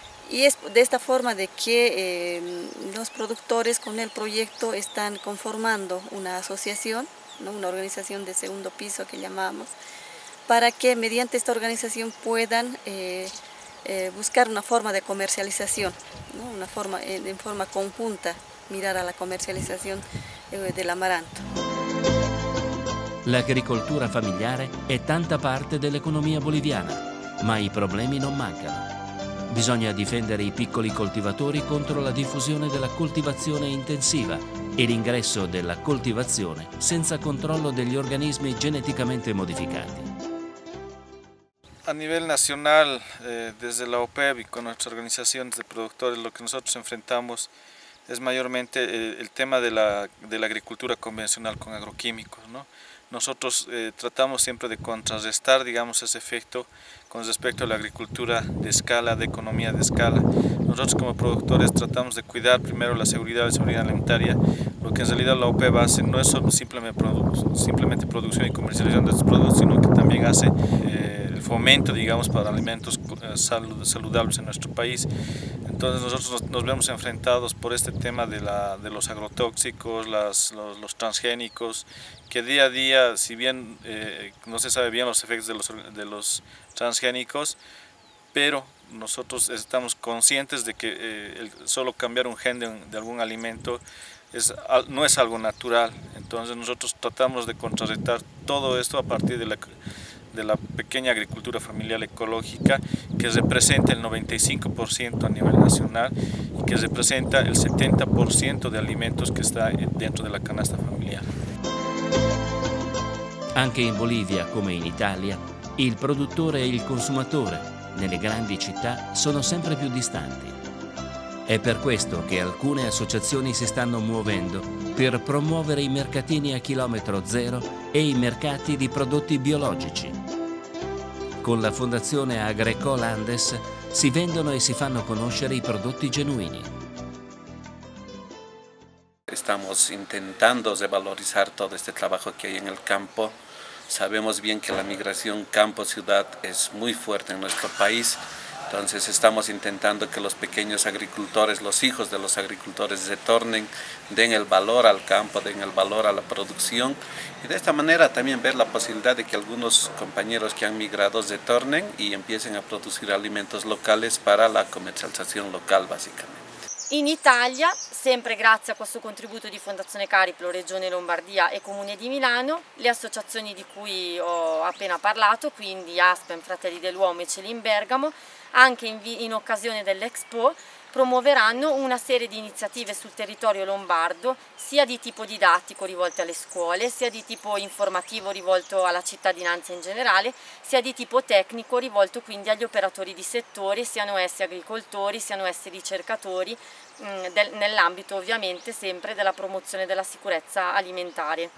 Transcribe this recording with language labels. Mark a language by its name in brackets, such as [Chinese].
[Spanish] Y es de esta forma de que los productores con el proyecto están conformando una asociación, ¿no? Una organización de segundo piso que llamamos, para que mediante esta organización puedan buscar una forma de comercialización, ¿no? Una forma, en forma conjunta, mirar a la comercialización del amaranto. [Italian] L'agricoltura familiare è tanta parte dell'economia boliviana, ma i problemi non mancano. Bisogna difendere i piccoli coltivatori contro la diffusione della coltivazione intensiva e l'ingresso della coltivazione senza controllo degli organismi geneticamente modificati. A livello nazionale, [Spanish] desde la OPEB [Italian] e con le nostre organizzazioni di produttori, lo che noi enfrentiamo è maggiormente il tema dell'agricoltura convenzionale con agroquímicos, [Spanish] ¿no? Nosotros tratamos siempre de contrarrestar, digamos, ese efecto con respecto a la agricultura de escala, de economía de escala. Nosotros como productores tratamos de cuidar primero la seguridad alimentaria. Lo que en realidad la OPEB hace no es solo simplemente producción y comercialización de estos productos, sino que también hace el fomento, digamos, para alimentos saludables en nuestro país. Entonces nosotros nos vemos enfrentados por este tema de los agrotóxicos, los transgénicos, que día a día, si bien no se sabe bien los efectos de los transgénicos, pero nosotros estamos conscientes de que solo cambiar un gen de algún alimento no es algo natural. Entonces nosotros tratamos de contrarrestar todo esto a partir de la pequeña agricultura familiar ecológica, que representa el 95% a nivel nacional y que representa el 70% de alimentos que está dentro de la canasta familiar. [Italian] Anche in Bolivia, come in Italia, il produttore e il consumatore, nelle grandi città, sono sempre più distanti. È per questo che alcune associazioni si stanno muovendo per promuovere i mercatini a chilometro zero e i mercati di prodotti biologici. Con la Fondazione Agricol Andes si vendono e si fanno conoscere i prodotti genuini. Stiamo intentando revalorizzare tutto questo lavoro che c'è nel campo. [Spanish] Sabemos bien que la migración campo-ciudad es muy fuerte en nuestro país, entonces estamos intentando que los pequeños agricultores, los hijos de los agricultores, retornen, den el valor al campo, den el valor a la producción, y de esta manera también ver la posibilidad de que algunos compañeros que han migrado retornen y empiecen a producir alimentos locales para la comercialización local, básicamente. [Italian] In Italia, sempre grazie a questo contributo di Fondazione Cariplo, Regione Lombardia e Comune di Milano, le associazioni di cui ho appena parlato, quindi Aspen, Fratelli dell'Uomo e Celi in Bergamo, anche in occasione dell'Expo, promuoveranno una serie di iniziative sul territorio lombardo, sia di tipo didattico rivolte alle scuole, sia di tipo informativo rivolto alla cittadinanza in generale, sia di tipo tecnico rivolto quindi agli operatori di settore, siano essi agricoltori, siano essi ricercatori, nell'ambito ovviamente sempre della promozione della sicurezza alimentare.